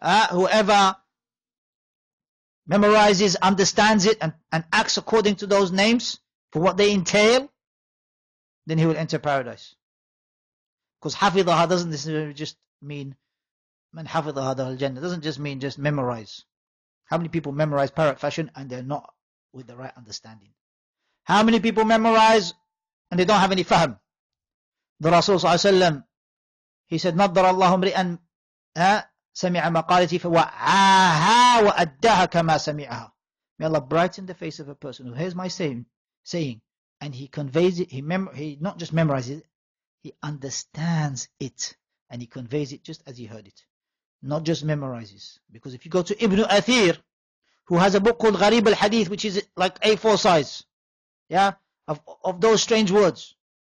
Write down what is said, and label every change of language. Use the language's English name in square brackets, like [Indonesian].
[English] Whoever memorizes, understands it, and acts according to those names for what they entail, then he will enter paradise. Because hafidhaha doesn't just mean [Arabic] man hafidhaha dal jannah. [English] Doesn't just mean just memorize. How many people memorize parrot fashion and they're not with the right understanding? How many people memorize and they don't have any fahm? The Rasul [Arabic] صلى الله عليه وسلم, [English] he said, [Arabic] نَضَّرَ اللَّهُ مْرِئًا سَمِعَ مَقَالَتِي فَوَعَاهَا وَأَدَّهَا كَمَا سَمِعَهَا. [English] May Allah brighten the face of a person who hears my saying and he conveys it, he not just memorizes it, he understands it and he conveys it just as he heard it. Not just memorizes. Because if you go to Ibn Athir, who has a book called Gharib al-Hadith, which is like A4 size, of those strange words,